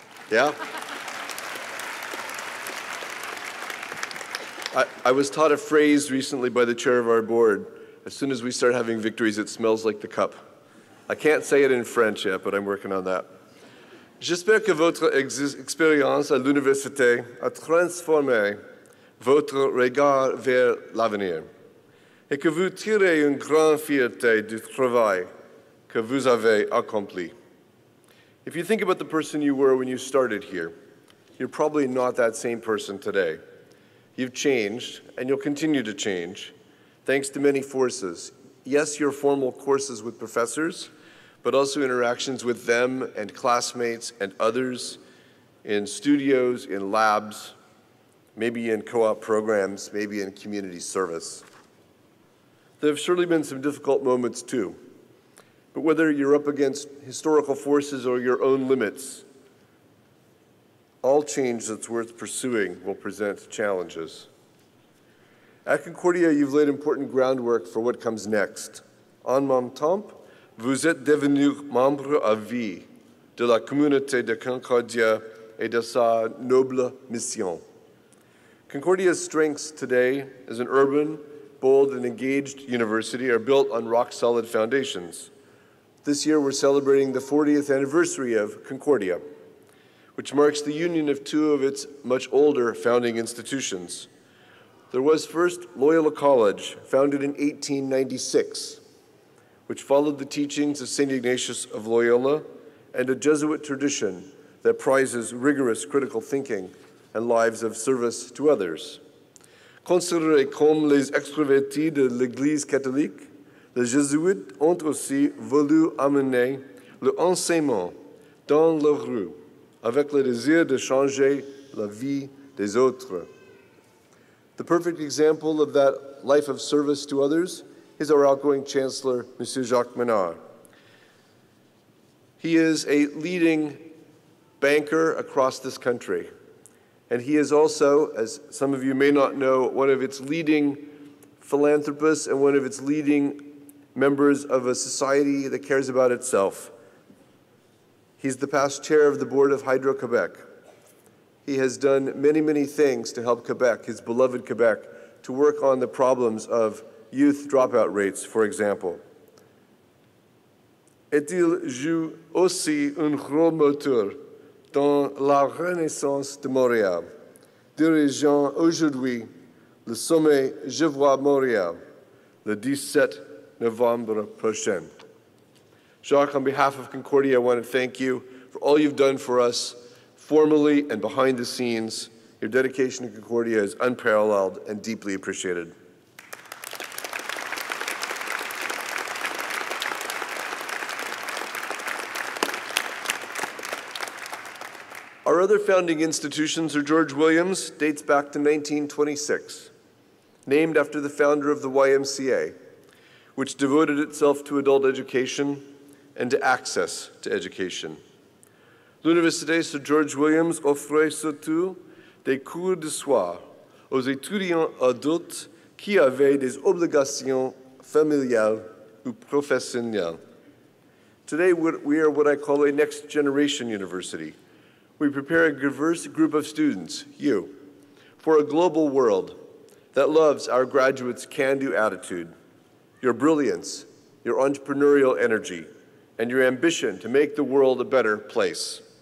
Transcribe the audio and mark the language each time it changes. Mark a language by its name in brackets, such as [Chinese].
[English] Yeah? I was taught a phrase recently by the chair of our board, as soon as we start having victories, it smells like the cup. I can't say it in French yet, but I'm working on that. [French] J'espère que votre expérience à l'université a transformé votre regard vers l'avenir et que vous tirez une grande fierté du travail que vous avez accompli. [English] If you think about the person you were when you started here, you're probably not that same person today. You've changed, and you'll continue to change, thanks to many forces. Yes, your formal courses with professors, but also interactions with them and classmates and others in studios, in labs, maybe in co-op programs, maybe in community service. There have surely been some difficult moments too, but whether you're up against historical forces or your own limits, all change that's worth pursuing will present challenges. At Concordia, you've laid important groundwork for what comes next. [French] En même temps, vous êtes devenu membre à vie de la communauté de Concordia et de sa noble mission. [English] Concordia's strengths today as an urban, bold, and engaged university are built on rock-solid foundations. This year, we're celebrating the 40th anniversary of Concordia, which marks the union of two of its much older founding institutions. There was first Loyola College, founded in 1896, which followed the teachings of St. Ignatius of Loyola and a Jesuit tradition that prizes rigorous critical thinking and lives of service to others. [French] Considéré comme les extravertis de l'Église catholique, les Jésuites ont aussi voulu amener l'enseignement dans leur rue, avec le désir de changer la vie des autres. [English] The perfect example of that life of service to others is our outgoing Chancellor, Monsieur Jacques Menard. He is a leading banker across this country, and he is also, as some of you may not know, one of its leading philanthropists and one of its leading members of a society that cares about itself. He's the past chair of the board of Hydro-Québec. He has done many, many things to help Quebec, his beloved Quebec, to work on the problems of youth dropout rates, for example. [French] Et il joue aussi un rôle moteur dans la Renaissance de Montréal, dirigeant aujourd'hui le sommet Je vois Montréal le 17 novembre prochain. [English] Jacques, on behalf of Concordia, I want to thank you for all you've done for us, formally and behind the scenes. Your dedication to Concordia is unparalleled and deeply appreciated. Our other founding institutions are George Williams, dates back to 1926, named after the founder of the YMCA, which devoted itself to adult education and to access to education. [French] L'Université Sir George Williams offrait surtout des cours de soir aux étudiants adultes qui avaient des obligations familiales ou professionnelles. [English] Today, we are what I call a next generation university. We prepare a diverse group of students, you, for a global world that loves our graduates' can-do attitude, your brilliance, your entrepreneurial energy, and your ambition to make the world a better place.